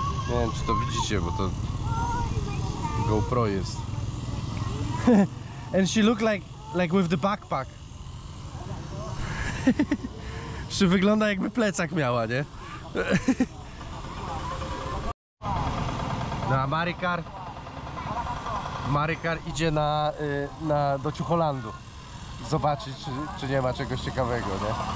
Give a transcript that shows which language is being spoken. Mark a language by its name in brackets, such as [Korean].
[Polish] Nie wiem, czy to widzicie, bo to GoPro jest. [English] And she look like with the backpack. [Polish] She wygląda jakby plecak miała, nie? No, a Marikar idzie do Chucholandu zobaczyć, czy nie ma czegoś ciekawego, nie?